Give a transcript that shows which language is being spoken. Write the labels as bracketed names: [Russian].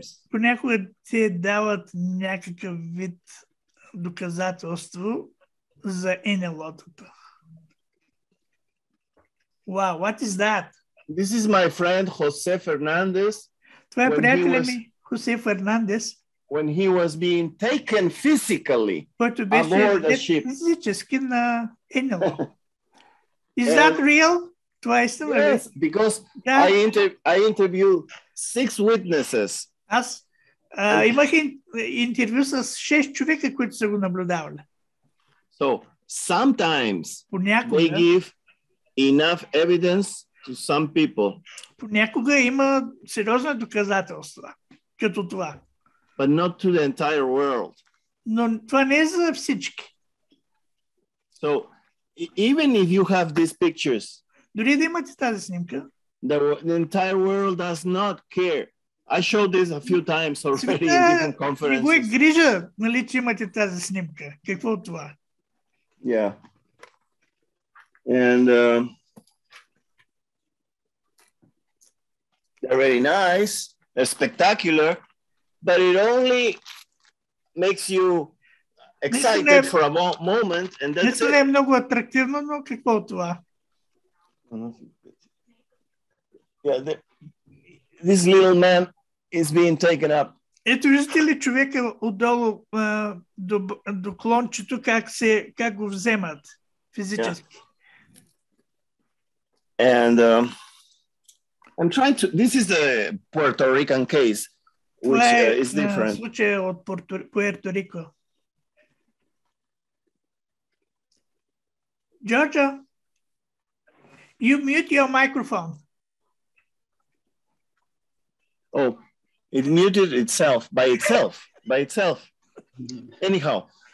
[Bulgarian] Понякога те дават някакъв вид доказателство за НЛО-тата. [English] Wow, what is that? This is my friend Jose Fernandez. [Bulgarian] Това е приятелят ми, Хосе Фернандес. [English] When he was being taken physically aboard the ship. [Bulgarian] Физически на НЛО. [English] Is that real? Twice. Yes, because yeah. I interview six witnesses. [Bulgarian] Аз имах интервю с шест човека, които са го наблюдавали. [English] So sometimes they give enough evidence to some people. [Bulgarian] Понякога има сериозни доказателства като това. [English] But not to the entire world. [Bulgarian] Но това не е за всички. [English] So even if you have these pictures. [Bulgarian] Дори да имате тази снимка. [English] The entire world does not care. I showed this a few times already in different conferences. [Bulgarian] Не го е грижа, нали, че имате тази снимка. Какво е това? [English] Yeah. And they're very nice, they're spectacular, but it only makes you excited for a moment, and then it's [Bulgarian] не е много атрактивно, но какво е това? [English] Yeah, this little man is being taken up. [Bulgarian] Ето виждате ли човека отдолу до клончето, как го вземат физически? [English] Yeah. And I'm trying to. This is the Puerto Rican case, which is different. [Bulgarian] Това е случай от Пуерто Рико. [English] Джорджо, you mute your microphone. Oh, it muted itself by itself. By itself. Anyhow.